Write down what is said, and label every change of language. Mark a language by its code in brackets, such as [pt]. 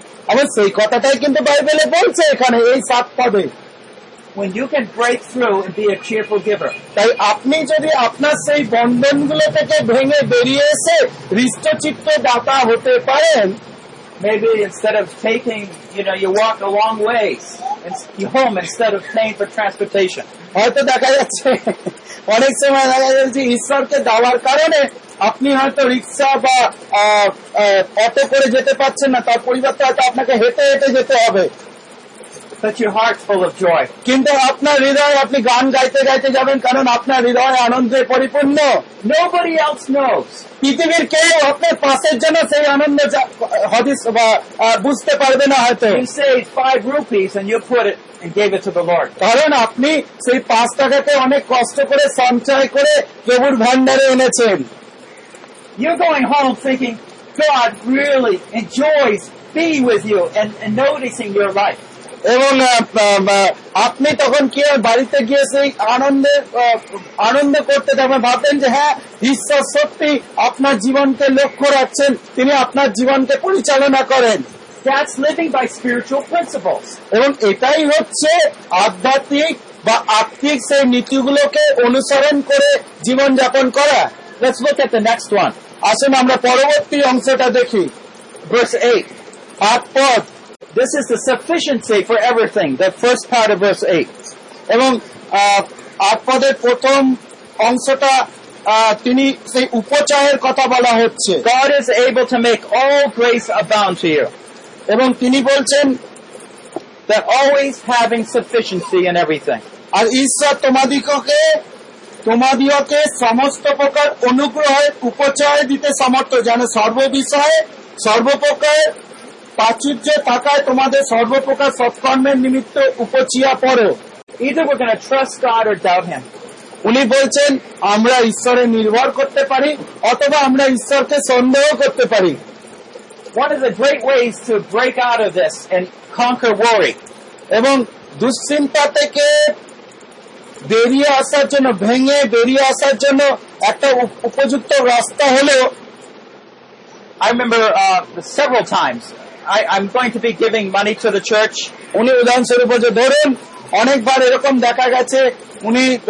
[bn] আমার সেই কথাটাই কিন্তু বাইবেলে বলছে এখানে এই সাত পদে [en] When you can break through and be a cheerful giver. [bn] তাই আপনি যদি আপনার সেই বন্ধন গুলো থেকে ভেঙে বেরিয়ে এসে হৃষ্টচিত্ত দাতা হতে পারেন [en] Maybe instead of taking, you know, you walk a long way home instead of paying for transportation. [bn] হয়তো দেখা যাচ্ছে অনেক সময় দেখা যাচ্ছে ঈশ্বরকে দেওয়ার কারণে আপনি হয়তো রিক্সা বা অটো করে যেতে পারছেন না তার পরিবর্তে হয়তো আপনাকে হেঁটে হেঁটে যেতে হবে [en] But your heart's full of joy. [bn] কিন্তু আপনার হৃদয়ে আপনি গান গাইতে গাইতে যাবেন কারণ আপনার হৃদয় আনন্দে পরিপূর্ণ. [en] Nobody else knows. [bn] পৃথিবীর কেউ আপনার পাশের জন্য সেই আনন্দ হদিস বা বুঝতে পারবে না হয়তো. [en] You say five rupees and you put it and gave it to the Lord. [bn] কারণ আপনি সেই পাঁচ টাকাকে অনেক কষ্ট করে সঞ্চয় করে প্রভুর ভাণ্ডারে এনেছেন. [en] You're going home thinking, God really enjoys being with you and noticing your life. [bn] এবং আপনি তখন কি বাড়িতে গিয়ে সেই আনন্দে আনন্দ করতে তখন ভাবেন যে হ্যাঁ ঈশ্বর সত্যি আপনার জীবনকে লক্ষ্য রাখছেন, তিনি আপনার জীবনকে পরিচালনা করেন. [en] That's living by spiritual principles. [bn] এবং এটাই হচ্ছে আধ্যাত্মিক বা আত্মিক সেই নীতিগুলোকে অনুসরণ করে জীবনযাপন করা. [en] Let's look at the next one. [bn] আসুন আমরা পরবর্তী অংশটা দেখি. [en] Verse 8. [bn] পদ. [en] This is the sufficiency for everything. The first part of verse 8. [bn] এবং আপদের প্রথম অংশটা তিনি সেই উপচয়ের কথা বলা হচ্ছে. [en] God is able to make all grace abound to you. [bn] এবং তিনি বলছেন [en] that always having sufficiency in everything. [bn] আর ঈশ্বর তোমাদিওকে সমস্ত প্রকার অনুগ্রহের উপচয় দিতে সমর্থ, যেন সর্ববিষয়ে সর্বপ্রকার প্রাচুর্য থাকায় তোমাদের সর্বপ্রকার সৎকর্মের নিমিত্ত উপচিয়া পড়ো. [en] Either we're going to trust God or doubt him. [bn] উনি বলছেন আমরা ঈশ্বরের নির্ভর করতে পারি অথবা আমরা ঈশ্বরকে সন্দেহ করতে পারি. [en] What is the great ways to break out of this and conquer worry? [bn] এবং দুশ্চিন্তা থেকে বেরিয়ে আসার জন্য, ভেঙে বেরিয়ে আসার জন্য একটা উপযুক্ত রাস্তা হলো, [en] I remember several times I'm going to be giving money to the church. [bn] উনি উদাহরণস্বরূপ যে ধরুন অনেকবার এরকম দেখা গেছে উনি